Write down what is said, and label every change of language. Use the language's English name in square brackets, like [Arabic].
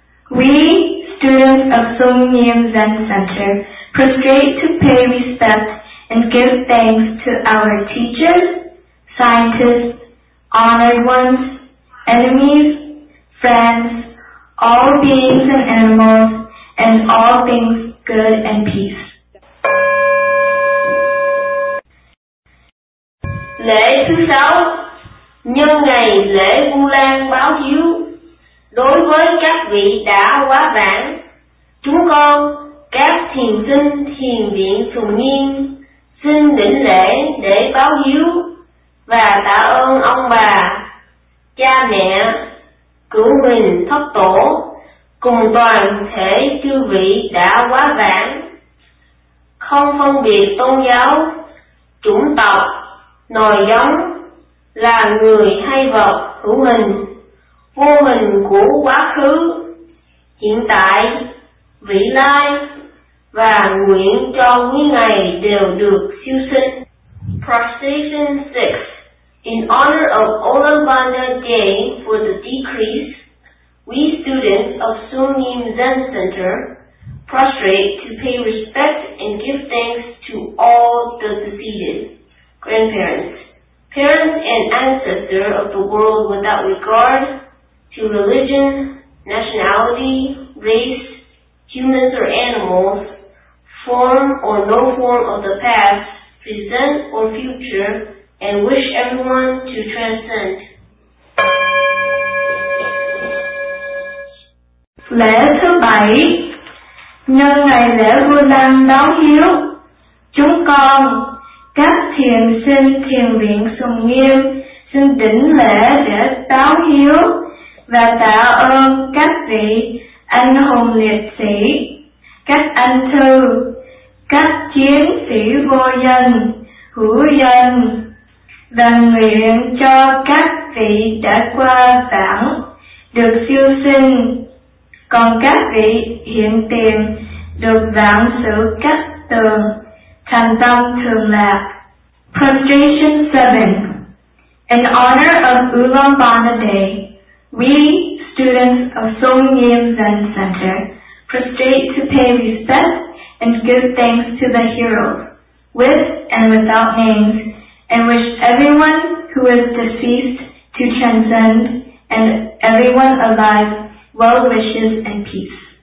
[English] We, students of Sung Nyim Zen Center, prostrate to pay respect and give thanks to our teachers, scientists, honored ones, enemies, friends, all beings and animals, and all things good and peace. [Vietnamese] Lễ thứ sáu, nhân ngày lễ Vu Lan báo hiếu. Đối với các vị đã quá vãng, chúng con, các thiền sinh thiền viện Sùng Nghiêm, xin đỉnh lễ để báo hiếu và tạ ơn ông bà, cha mẹ, cửu huynh thất tổ cùng toàn thể chư vị đã quá vãng, không phân biệt tôn giáo, chủng tộc, nòi giống, là người hay vật hữu hình, vô hình của quá khứ, hiện tại, vị lai, và nguyện cho quý ngày đều được siêu sinh. [English] Prostration 6. In honor of Ulambana Day for the decrease, we students of Sung Nyim Zen Center prostrate to pay respect and give thanks to all the deceased. Grandparents, parents and ancestors of the world without regard to religion, nationality, race, humans or animals, form or no form of the past, present or future, and wish everyone to transcend. [Vietnamese] Lễ thứ bảy, nhân ngày lễ Vu Lan báo hiếu, chúng con, các thiền sinh thiền viện Sùng Nghiêm xin đỉnh lễ để báo hiếu và tạ ơn các vị anh hùng liệt sĩ, các anh thư, các chiến sĩ vô danh, hữu danh, và nguyện cho các vị đã qua vãng được siêu sinh, còn các vị hiện tiền được vãng sự cát tường, thành tâm thường lạc. [English] Prostration 7. In honor of Ulambana Day, we, students of Sung Nyim Zen Center, prostrate to pay respect and give thanks to the heroes, with and without names, and wish everyone who is deceased to transcend, and everyone alive, well wishes and peace.